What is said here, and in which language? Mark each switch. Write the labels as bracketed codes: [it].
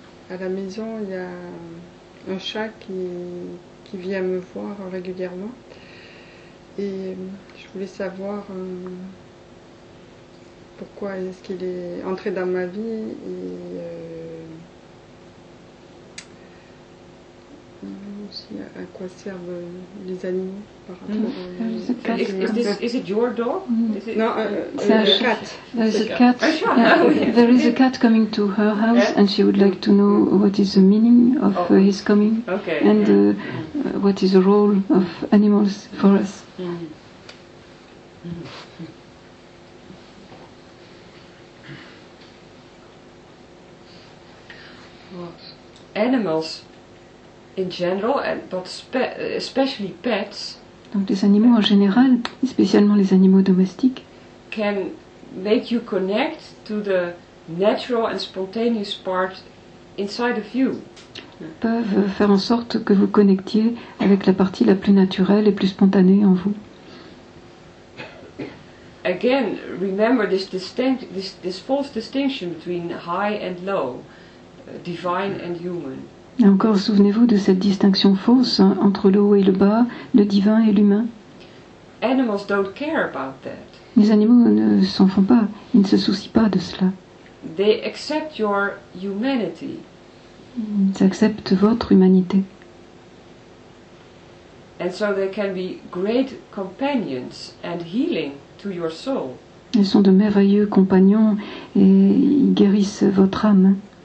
[fr] À la maison, il y a un chat qui vient me voir régulièrement et je voulais savoir pourquoi est-ce qu'il est entré dans ma vie et aussi à quoi servent les animaux par rapport à [en] is it your dog? Is a cat coming to her house, yeah? And she would like to know what is the meaning of his coming. Okay. And what is the role of animals for us? Animals in general, but especially pets. [fr] Donc des animaux en général, spécialement les animaux domestiques, [en] can make you connect to the natural and spontaneous part inside of you. [fr] Peuvent faire en sorte que vous connectiez avec la partie la plus naturelle et plus spontanée en vous. [en] Again, remember this false distinction between high and low, divine and human. [fr] Et encore, souvenez-vous de cette distinction fausse entre le haut et le bas, le divin et l'humain. [en] Animals don't care about that. [fr] Les animaux ne s'en font pas, ils ne se soucient pas de cela. [en] They accept your humanity. [fr] Ils acceptent votre humanité. [en] And so they can be great companions and healing to your soul. [fr] Ils sont de merveilleux compagnons et ils guérissent votre âme.